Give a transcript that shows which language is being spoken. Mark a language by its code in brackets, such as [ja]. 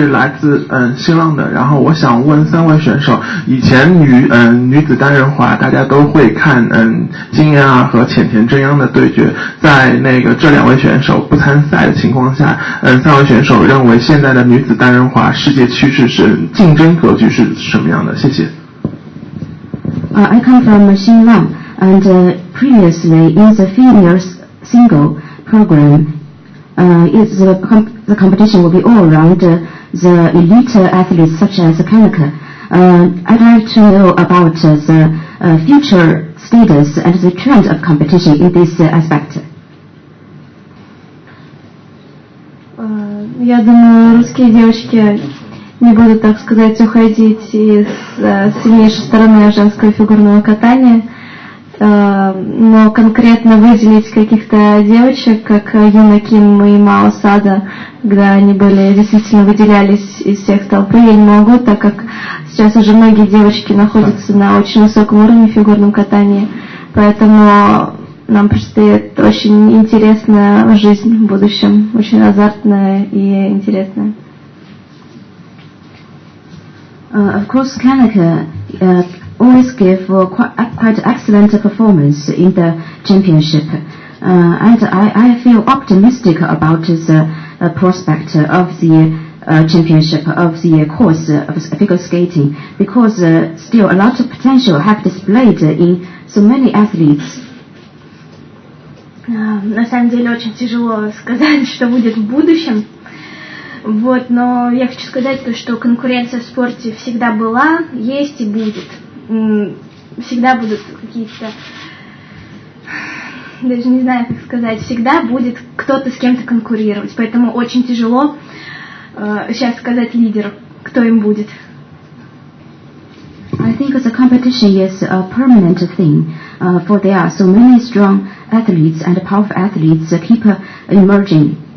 [zh] 我是来自新浪的，然后我想问三位选手，以前女子单人滑大家都会看金妍儿和浅田真央的对决，在那个这两位选手不参赛的情况下，三位选手认为现在的女子单人滑世界趋势是竞争格局是什么样的？谢谢。 [en] I come from 新浪 and previously in the female single program, the competition will be all around the elite athletes such as Kanaka. I'd like to know about the future status and the trend of competition in this aspect. [ru] Я думаю, русские девочки не будут, так сказать, уходить из сильнейшей стороны женского фигурного катания. Но конкретно выделить каких-то девочек, как Юна Ким и Мао Сада, когда они были действительно выделялись из всех толпы, я не могу, так как сейчас уже многие девочки находятся на очень высоком уровне в фигурном катании, поэтому нам предстоит очень интересная жизнь в будущем, очень азартная и интересная. [en] Of course, Kanaka always give quite excellent performance in the championship, and I feel optimistic about the prospect of the championship of the course of figure skating, because still a lot of potential have displayed in so many athletes. [ru] На самом деле очень тяжело сказать, что будет в будущем. Вот, но я хочу сказать то, что конкуренция в спорте всегда была, есть и будет. Всегда будут какие-то, даже не знаю, как сказать, всегда будет кто-то с кем-то конкурировать. Поэтому очень тяжело сейчас сказать лидеру, кто им будет. [en] I think the competition is a permanent thing, for there are so many strong athletes and powerful athletes keep emerging.